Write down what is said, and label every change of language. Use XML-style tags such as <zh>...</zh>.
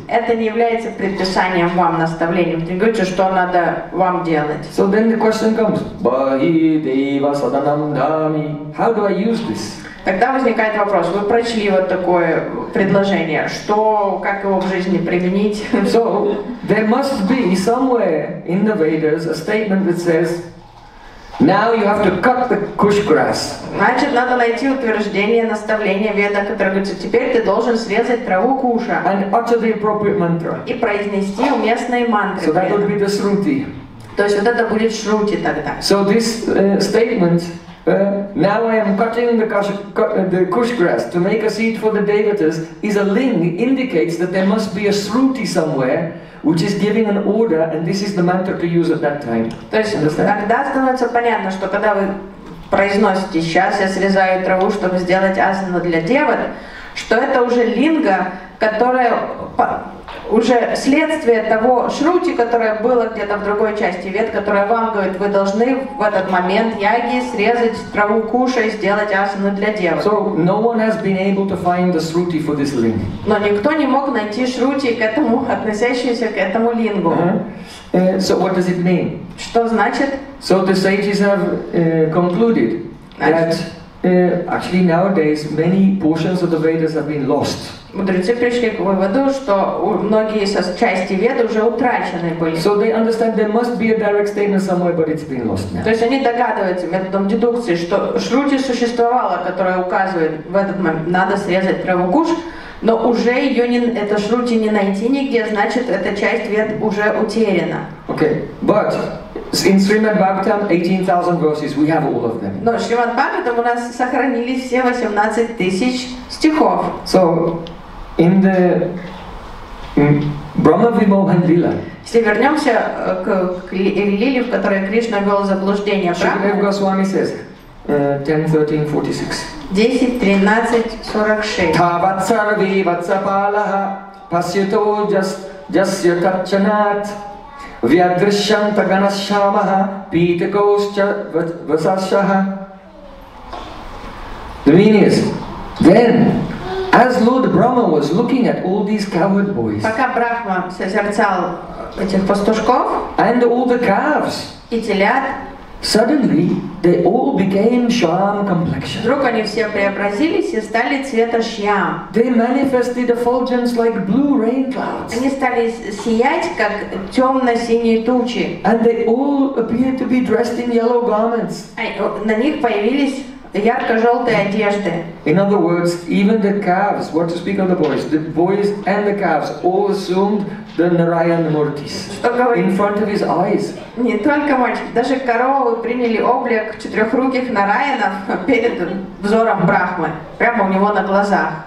<ru>Это не является предписанием вам, наставлением. Не говорите, что надо вам делать.</ru> <en>So then the question comes:</en> <sa>Bahi deva sadanam dami.</sa> <en>How do I use this?</en> <ru>Тогда возникает вопрос: вы прочли вот такое предложение, что, как его в жизни применить?</ru> <en>So there must be somewhere in the Vedas a statement that says, now you have to cut the kush grass.</en> <ru>Значит, надо найти утверждение, наставление Веда, которое говорит: теперь ты должен срезать траву куша.</ru> <en>And utter the appropriate mantra.</en> <ru>И произнести уместные мантры.</ru> <en>So that would be the Shruti.</en> <ru>То есть вот это будет Shruti тогда.</ru> <en>So this statement. Now I am cutting the kush grass to make a seat for the devatas is a ling, indicates that there must be a shruti somewhere which is giving an order, and this is the mantra to use at that time.</en> <ru>То есть тогда становится понятно, что когда вы произносите «сейчас я срезаю траву, чтобы сделать асану для девы», что это уже линга, которая уже следствие того шрути, которое было где-то в другой части вед, которая вам говорит, вы должны в этот момент яги срезать траву куша и сделать асану для девы.</ru> <en>So no one has been able to find the shruti for this link.</en> <ru>Но никто не мог найти шрути к этому, относящуюся к этому лингу.</ru> <en>So what does it mean?</en> <ru>Что значит?</ru> <en>So the sages have concluded that actually nowadays many portions of the Vedas have been lost.</en> <ru>Мудрецы пришли к выводу, что многие части Вед уже утрачены были.</ru> <en>So they understand there must be a direct statement somewhere, but it's been lost now.</en> <ru>То есть они догадываются методом дедукции, что шрути существовала, которая указывает в этот момент, надо срезать траву куш, но уже ее не, эта шрути не найти нигде, значит, эта часть Вед уже утеряна.</ru> <en>Okay, but in Srimad Bhagavatam, 18,000 verses, we have all of them.</en> <ru>Но в Шримад Бхагаватам у нас сохранились все 18,000 стихов.</ru> <en>So, in the Brahma Vimohan Lila.</en> <ru>Если вернемся к лиле, в которой Кришна ввел заблуждение.</ru> <en>Шукадев Госвами says, 10:13:46.</en> <sa>Вядрышьян таганасшамаха питакосча васасшаха.</sa> <en>The meaning is, then, as Lord Brahma was looking at all these cowherd boys,</en> <ru>пока Брахма созерцал этих пастушков,</ru> <en>and all the calves,</en> <ru>и телят,</ru> <en>suddenly they all became shyam complexion.</en> <ru>Вдруг они все преобразились и стали цвета шьям.</ru> <en>They manifested effulgence like blue rain clouds.</en> <ru>Они стали сиять как темно-синие тучи.</ru> <en>And they all appeared to be dressed in yellow garments.</en> <ru>На них появились ярко-желтые одежды.</ru> <en>In other words, even the calves, what to speak of the boys and the calves all assumed the Narayan Murtis in front of his eyes.</en> <ru>Не только мальчики, даже коровы приняли облик четырехруких Нараянов перед взором Брахмы, прямо у него на глазах.</ru>